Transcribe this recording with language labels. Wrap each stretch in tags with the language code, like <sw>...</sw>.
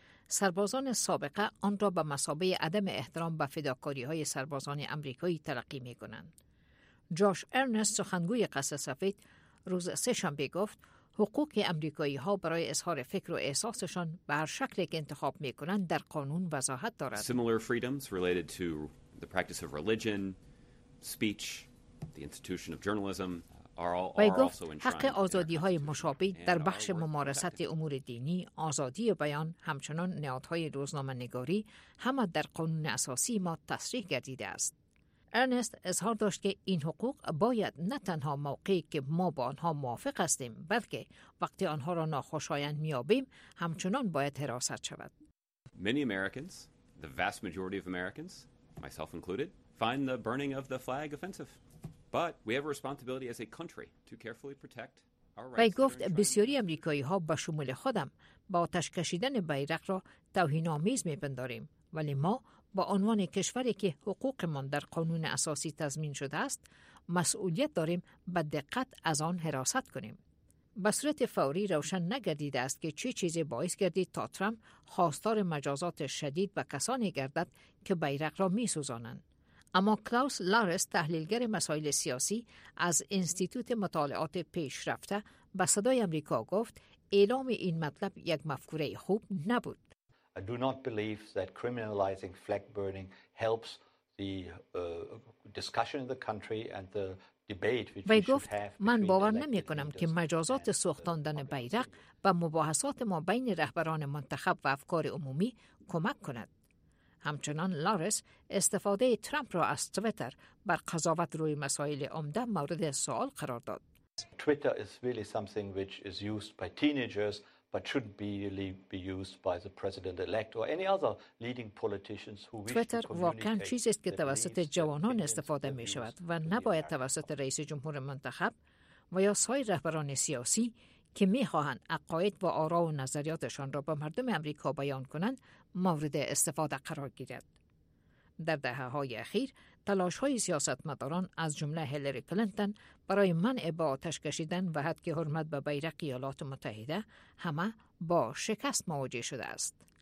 <fa>سربازان سابقه آن را به مثابه عدم احترام به فداکاری‌های سربازان آمریکایی تلقی می‌کنند. جوش ارنست سخنگوی قصر سفید روز سه‌شنبه گفت حقوق آمریکایی‌ها برای اظهار فکر و احساسشان به هر شکلی که انتخاب می‌کنند در قانون وضاحت دارد.</fa> <en>Similar freedoms related to the practice of religion, speech, the institution of journalism are also enshrined.</en> <fa>حق آزادی‌های مشابه در بخش ممارست امور دینی، آزادی بیان، همچنان نهادهای روزنامه‌نگاری همه در قانون اساسی ما تصریح گردیده است. ارنست اظهار داشت که این حقوق باید نه تنها موقعی که ما با آنها موافق هستیم، بلکه وقتی آنها را ناخوشایند می‌یابیم همچنان باید حراست شود.</fa> <en>Many Americans, the vast majority of Americans, myself included, find the burning of the flag offensive. But we have a responsibility as a country to carefully protect our rights.</en> <fa>گفت بسیاری آمریکایی‌ها به شمول خودم با آتش کشیدن بیرق را توهین‌آمیز می‌پنداریم، ولی ما با عنوان کشوری که حقوق من در قانون اساسی تضمین شده است، مسئولیت داریم با دقت از آن حراست کنیم. به صورت فوری روشن نگردیده است که چه چیزی باعث گردید تا ترامپ خواستار مجازات شدید به کسانی گردد که بیرق را می سوزانند. اما کلاوس لارس، تحلیلگر مسائل سیاسی از انستیتوت مطالعات پیشرفته، به صدای آمریکا گفت اعلام این مطلب یک مفکوره خوب نبود.</fa> <en>I do not believe that criminalizing flag burning helps the discussion in the country and the debate which we should have.</en> <fa>من باور نمی کنم که مجازات سوختاندن بیرق و مباحثات ما بین رهبران منتخب و افکار عمومی کمک کند. همچنان لارس استفاده ترامپ را از توییتر بر قضاوت روی مسائل عمده مورد سوال قرار داد.</fa> <en>Twitter is really something which is used by teenagers but shouldn't be used by the president elect or any other leading politicians who wish Twitter to communicate.</en> <fa>واقعاً چیزی است که توسط جوانان استفاده می شود و نباید توسط رئیس جمهور منتخب و یا سایر رهبران سیاسی که می خواهند عقاید و آرا و نظریاتشان را به مردم آمریکا بیان کنند مورد استفاده قرار گیرد. در دهه های اخیر تلاش های سیاستمداران از جمله هیلری کلینتون برای منع با آتش کشیدن و حد که حرمت به بیرق ایالات متحده همه با شکست مواجه شده است.</fa>